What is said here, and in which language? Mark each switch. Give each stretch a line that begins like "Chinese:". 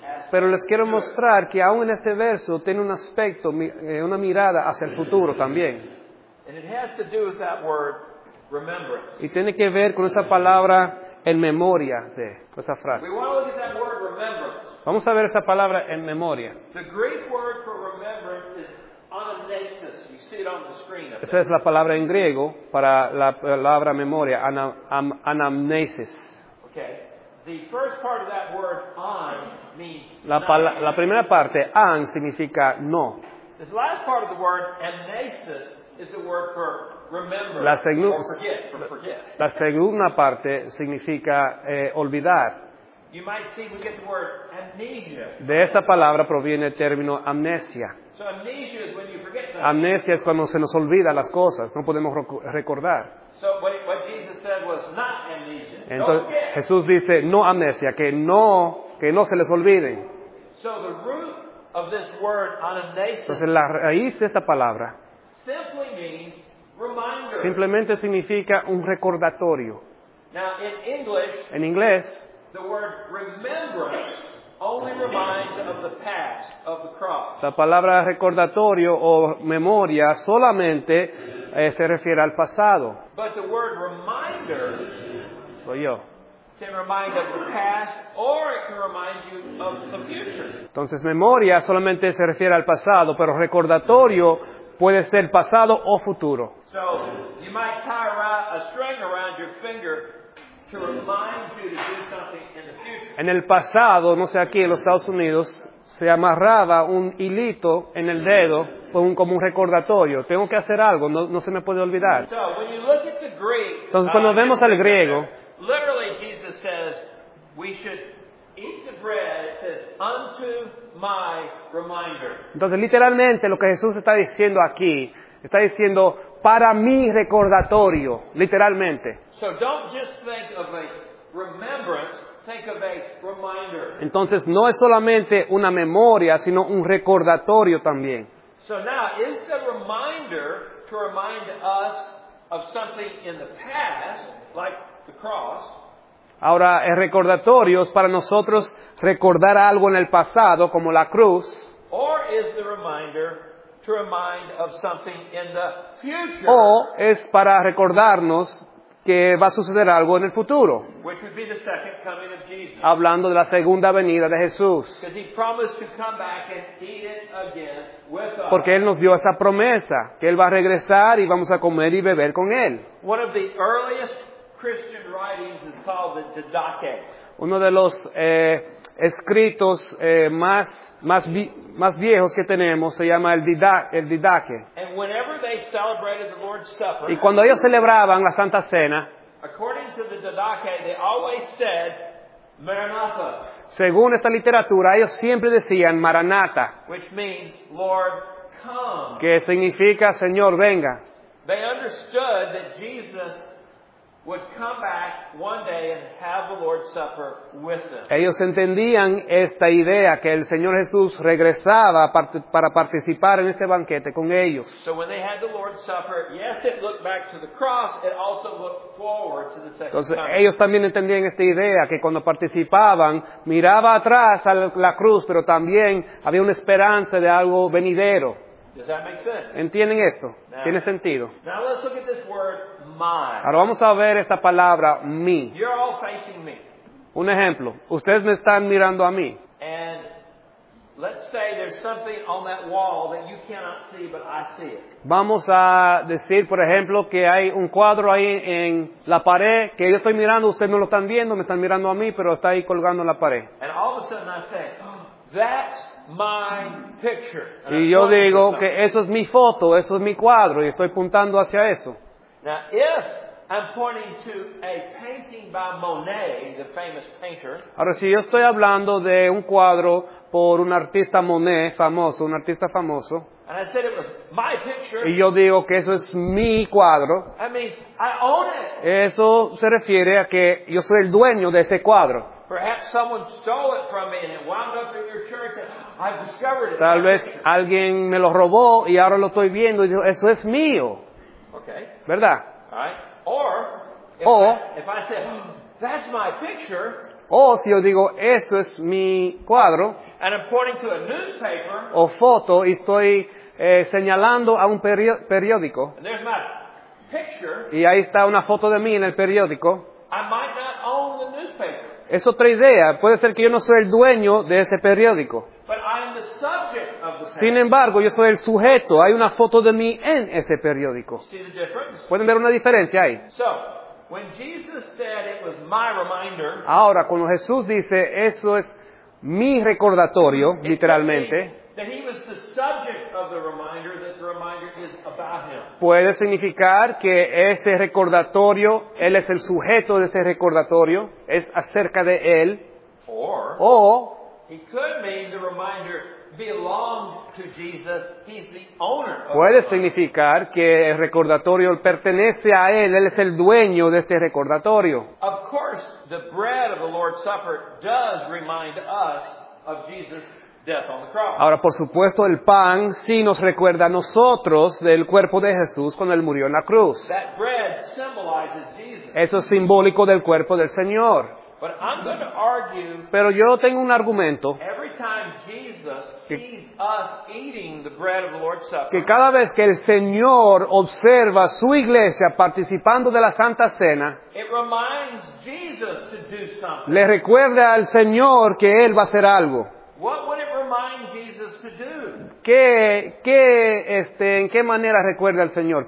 Spanish: Pero les quiero mostrar que aún en este verso tiene un aspecto, una mirada hacia el futuro también.
English: And it has to do with that word, remembrance.
Spanish: Y tiene que ver con esa palabra, en memoria de, esa frase.
English: We want to look at that word, remembrance.
Spanish: Vamos a ver esa palabra, en memoria.
English: The Greek word for remembrance is anamnesis. You see it on the screen.
Spanish: Esa es la palabra en griego para la palabra memoria, anamnesis.
English: Okay. The first part of that word, an, means
Spanish: la primera parte, an, significa no.
English: The last part of the word, amnesis, is the word for remember,
Spanish: la segunda parte significa olvidar.
English: You might see we get the word amnesia.
Spanish: De esta palabra proviene el término amnesia.
English: So amnesia is when you forget something.
Spanish: Amnesia es cuando se nos olvida las cosas, no podemos recordar.
English: So what Jesus said was not amnesia.
Spanish: Entonces,
English: don't forget.
Spanish: Jesús dice no amnesia, que no se les olvide.
English: So the root of this word, anamnesis,
Spanish: entonces la raíz de esta palabra
English: simply means reminder.
Spanish: Simplemente significa un recordatorio.
English: Now, in English,
Spanish: en inglés,
English: the word remembrance only reminds of the past of the cross.
Spanish: La palabra recordatorio o memoria solamente se refiere al pasado.
English: But the word reminder,
Spanish: soy yo,
English: can remind of the past or it can remind you of the future.
Spanish: Entonces, memoria solamente se refiere al pasado, pero recordatorio puede ser pasado o futuro.
English: So, you might tie a string around your finger to remind you to do something in the future.
Spanish: En el pasado, no sé, aquí en los Estados Unidos, se amarraba un hilito en el dedo como un recordatorio. Tengo que hacer algo, no se me puede olvidar.
English: So, when you look at the Greek,
Spanish: entonces, cuando vemos al griego,
English: literally Jesus says, we should eat the bread, it says, unto my reminder.
Spanish: Entonces, literalmente, lo que Jesús está diciendo aquí, está diciendo, para mi recordatorio, literalmente.
English: So don't just think of a remembrance, think of a reminder.
Spanish: Entonces, no es solamente una memoria, sino un recordatorio también.
English: So now, is the reminder to remind us of something in the past, like the cross?
Spanish: Ahora, el recordatorio es para nosotros recordar algo en el pasado, como la cruz.
English: Or is the reminder to remind of something in the future?
Spanish: O es para recordarnos que va a suceder algo en el futuro.
English: Which would be the second coming of Jesus.
Spanish: Hablando de la segunda venida de Jesús.
English: Because he promised to come back and eat it again with us.
Spanish: Porque Él nos dio esa promesa, que Él va a regresar y vamos a comer y beber con Él.
English: One of the earliest Christian writings is called the Didache.
Spanish: Uno de los escritos más viejos que tenemos se llama el Didache.
English: And whenever they celebrated the Lord's Supper,
Spanish: y cuando ellos celebraban la Santa Cena,
English: according to the Didache, they always said, Maranatha.
Spanish: Según esta literatura, ellos siempre decían Maranatha,
English: which means, Lord, come.
Spanish: Que significa Señor, venga.
English: They understood that Jesus would come back one day and have the Lord's Supper with them.
Spanish: Ellos entendían esta idea que el Señor Jesús regresaba para participar en este banquete con ellos.
English: So when they had the Lord's Supper, yes, it looked back to the cross, it also looked forward to the second
Spanish: Entonces,
English: coming.
Spanish: Ellos también entendían esta idea que cuando participaban, miraba atrás a la cruz, pero también había una esperanza de algo venidero.
English: Does that make sense?
Spanish: ¿Entienden esto?
English: Now,
Spanish: tiene sentido.
English: Now let's look at this word, mine.
Spanish: Ahora vamos a ver esta palabra, mí.
English: You're all facing me.
Spanish: Un ejemplo. Ustedes me están mirando a mí.
English: And let's say there's something on that wall that you cannot see, but I see it.
Spanish: Vamos a decir, por ejemplo, que hay un cuadro ahí en la pared que yo estoy mirando, ustedes no lo están viendo, me están mirando a mí, pero está ahí colgando en la pared.
English: And all of a sudden I say, that's my picture. And
Spanish: y yo digo que eso es mi foto, eso es mi cuadro, y estoy apuntando hacia eso.
English: Now, if I'm pointing to a painting by Monet, the famous painter.
Spanish: Ahora, si yo estoy hablando de un cuadro por un artista Monet, famoso, un artista famoso.
English: And I said it was my picture.
Spanish: Y yo digo que eso es mi cuadro.
English: That means I own it.
Spanish: Eso se refiere a que yo soy el dueño de ese cuadro.
English: Perhaps someone stole it from me and it wound up in your church and I've discovered it.
Spanish: Tal vez alguien me lo robó y ahora lo estoy viendo y digo, eso es mío.
English: Okay.
Spanish: ¿Verdad?
English: Alright. Or, if,
Spanish: o,
English: if I said, that's my picture.
Spanish: O si yo digo, eso es mi cuadro.
English: And I'm pointing to a newspaper.
Spanish: O foto y estoy señalando a un periódico.
English: And there's my picture.
Spanish: Y ahí está una foto de mí en el periódico.
English: I might not own the newspaper.
Spanish: Es otra idea. Puede ser que yo no soy el dueño de ese periódico.
English: But I am the subject of the paper.
Spanish: Sin embargo, yo soy el sujeto. Hay una foto de mí en ese periódico.
English: See the difference?
Spanish: ¿Pueden ver una diferencia ahí?
English: So, when Jesus said it was my reminder,
Spanish: ahora, cuando Jesús dice, eso es mi recordatorio, literalmente,
English: that he was the subject of the reminder, that the reminder is about him.
Spanish: Puede significar que ese recordatorio, él es el sujeto de ese recordatorio, es acerca de él.
English: Or,
Spanish: o,
English: he could mean the reminder belonged to Jesus, he's the owner.
Spanish: Puede significar que el recordatorio pertenece a él, él es el dueño de este recordatorio.
English: Of course, the bread of the Lord's Supper does remind us of Jesus' death on the cross.
Spanish: Ahora, por supuesto, el pan sí nos recuerda a nosotros del cuerpo de Jesús cuando él murió en la cruz.
English: That bread symbolizes Jesus.
Spanish: Eso es simbólico del cuerpo del Señor.
English: But I'm going to argue,
Spanish: pero yo tengo un argumento,
English: every time Jesus sees us eating the bread of the Lord's Supper,
Spanish: que cada vez que el Señor observa su iglesia participando de la Santa Cena,
English: it reminds Jesus to do something.
Spanish: Le recuerda al Señor que Él va a hacer algo.
English: What would it remind Jesus to do?
Spanish: ¿En qué manera recuerda al Señor?